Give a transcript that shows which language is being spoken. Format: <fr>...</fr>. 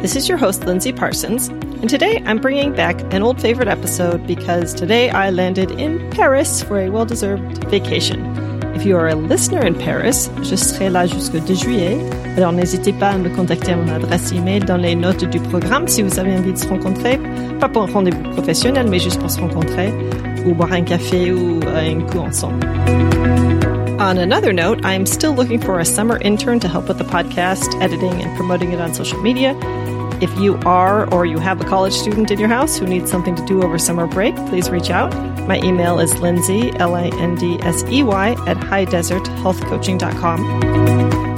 <en>This is your host, Lindsay Parsons, and today I'm bringing back an old favorite episode because today I landed in Paris for a well-deserved vacation. If you are a listener in Paris,</en> <fr>je serai là jusque 2 juillet. Alors n'hésitez pas à me contacter à mon adresse email dans les notes du programme si vous avez envie de se rencontrer. Pas pour un rendez-vous professionnel, mais juste pour se rencontrer ou boire un café ou un coup ensemble.</fr> <en>On another note, I'm still looking for a summer intern to help with the podcast, editing, and promoting it on social media. If you are or you have a college student in your house who needs something to do over summer break, please reach out. My email is Lindsay, L-I-N-D-S-E-Y, at highdeserthealthcoaching.com.</en>